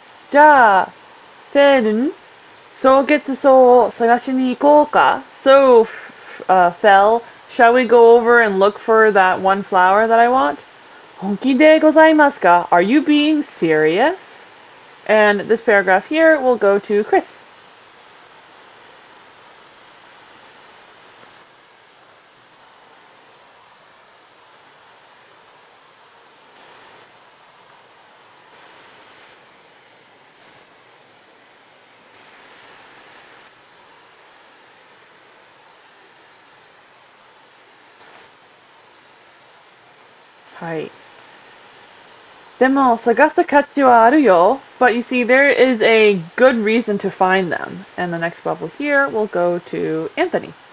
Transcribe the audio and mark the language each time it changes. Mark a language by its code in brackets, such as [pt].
[ja] じゃあ、フェルン、草月草を探しに行こうか。 [en] So, Fel, shall we go over and look for that one flower that I want? [ja] 本気でございますか? [en] Are you being serious? And this paragraph here will go to Chris. [ja] でも探す価値はあるよ。 [en] But you see, there is a good reason to find them. And the next bubble here will go to Anthony.